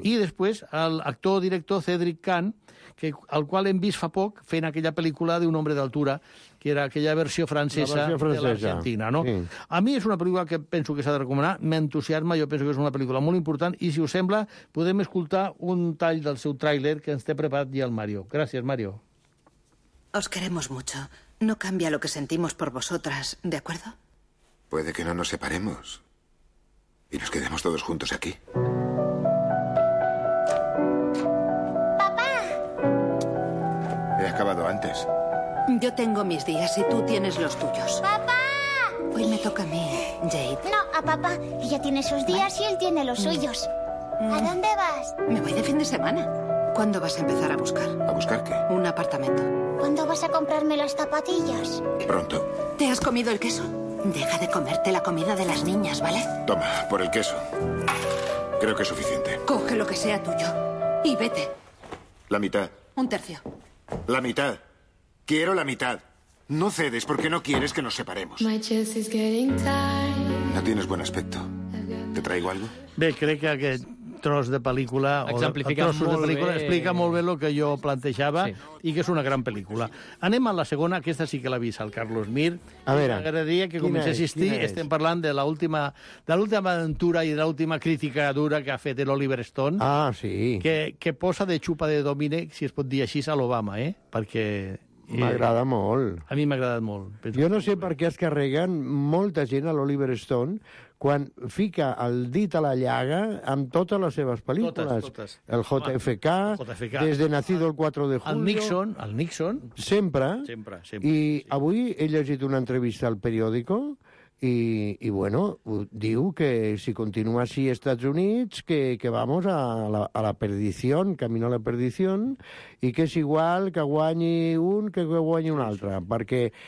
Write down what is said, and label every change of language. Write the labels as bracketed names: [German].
[Catalan] I després l'actor director Cédric Kahn, que el qual hem vist fa poc fent aquella pel·lícula d'Un Hombre d'Altura, que era aquella versió francesa, De l'Argentina, no? Sí. A mi és una pel·lícula que penso que s'ha de recomanar, m'entusiasma, jo penso que és una pel·lícula molt important, i si us sembla, podem escoltar un tall del seu tràiler que ens té preparat ja el Mario. Gràcies, Mario. [Spanish] Os queremos mucho. No cambia lo que sentimos por vosotras, ¿de acuerdo? Puede que no nos separemos y nos quedemos todos juntos aquí. He acabado antes. Yo tengo mis días y tú tienes los tuyos. ¡Papá! Hoy me toca a mí, Jade. No, a papá. Ella tiene sus días y él tiene los suyos. ¿A dónde vas? Me voy de fin de semana. ¿Cuándo vas a empezar a buscar? ¿A buscar qué? Un apartamento. ¿Cuándo vas a comprarme las zapatillas? Pronto. ¿Te has comido el queso? Deja de comerte la comida de las niñas, ¿vale? Toma, por el queso. Creo que es suficiente. Coge lo que sea tuyo y vete. La mitad. Un tercio. La mitad. Quiero la mitad. No cedes porque no quieres que nos separemos. No tienes buen aspecto. ¿Te traigo algo? [Catalan] Bé, crec que aquest tros de pel·lícula explica molt bé el que jo plantejava, sí. I que és una gran pel·lícula. Anem a la segona, aquesta sí que l'ha vist el Carlos Mir. A veure. M'agradaria que comencés a assistir. Estem parlant de l'última aventura i de l'última crítica dura que ha fet l'Oliver Stone. Ah, sí. Que posa de xupa de domine, si es pot dir així, a l'Obama, perquè m'agrada molt. A mi m'ha agradat molt. Jo no sé per què es carreguen molta gent a l'Oliver Stone quan fica el dit a la llaga amb totes les seves pel·lícules. Totes. El JFK, des de Nacido el 4 de Julio... El Nixon. Sempre. I sí. Avui he llegit una entrevista al periòdico i bueno, diu que si continua així als Estats Units, que [Spanish] vamos a la perdició, [Catalan] camino a la perdició, i que és igual que guanyi un que guanyi un altre, perquè...